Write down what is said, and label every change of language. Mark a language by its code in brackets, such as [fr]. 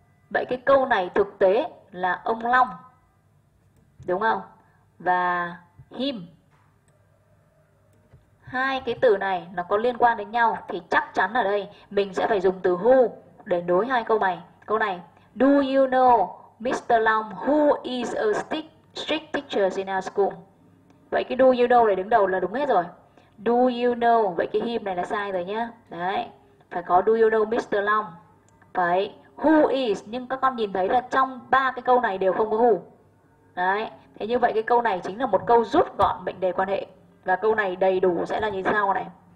[vi] Vậy cái câu này thực tế là ông Long. Đúng không? Và him. Hai cái từ này nó có liên quan đến nhau thì chắc chắn ở đây mình sẽ phải dùng từ who để nối hai câu này. Câu này, [en] do you know Mr. Long who is a strict teacher in our school? [vi] Vậy cái [en] do you know [vi] này đứng đầu là đúng hết rồi. [en] Do you know, [vi] vậy cái him này là sai rồi nhá. Đấy, phải có [en] do you know Mr. Long. [vi] Phải [en] who is, [vi] nhưng các con nhìn thấy là trong ba cái câu này đều không có who. Đấy, thế như vậy cái câu này chính là một câu rút gọn mệnh đề quan hệ. Và câu này đầy đủ sẽ là như sau này.